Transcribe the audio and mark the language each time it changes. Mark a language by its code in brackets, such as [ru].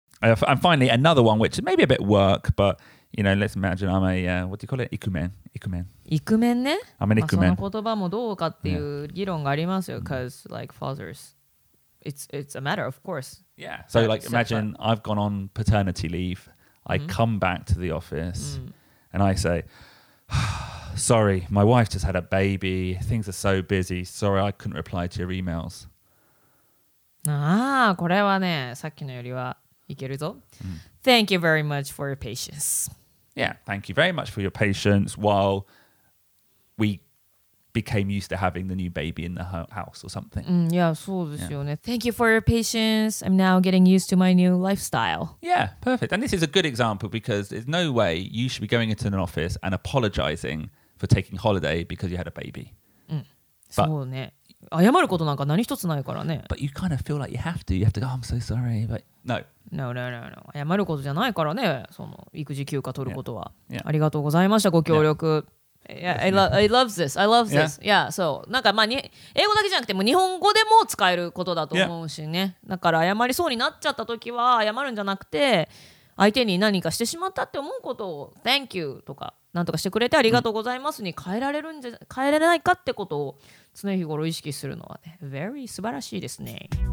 [en] And finally, another one, which may be a bit work, but, you know, let's imagine I'm a, what do you call it? [ja] Ikumen. Ikumen ね。 [en] I'm an ikumen. [ja] その言葉もどうかっていう議論がありますよ。 [en] Because, yeah. like, fathers, it's a matter, of course. Yeah. So, like, imagine I've gone on paternity leave. I come back to the office. And I say, sorry, my wife just had a baby. Things are so busy. Sorry, I couldn't reply to your emails. [ja] Ah, これはね、さっきのよりはいけるぞ。 [en] Thank you very much for your patience. Yeah, thank you very much for your patience while we became used to having the new baby in the house or something. Yeah, [ja] そうですよね。 [en] Thank you for your patience. I'm now getting used to my new lifestyle. Yeah, perfect. And this is a good example because there's no way you should be going into an office and apologizing for taking holiday because you had a baby. [ja] そうね。謝ることなんか何一つないからね。 [en] But you kind of feel like you have to. You have to go, oh, I'm so sorry. But no. No. [ja] 謝ることじゃないからね。その育児休暇取ることは。 [en] Yeah. [ja] ありがとうございました。ご協力。 [en] Yeah. Yeah, I love this. Yeah, yeah so, [ja] なんかまあに英語だけじゃなくても日本語でも使えることだと思うしね。 [en] Yeah. [ja] だから謝りそうになっちゃった時は謝るんじゃなくて相手に何かしてしまったって思うことを Thank you とか何とかしてくれてありがとうございますに変えられるんじゃ、変えられないかってことを常日頃意識するのはね、very 素晴らしいですね。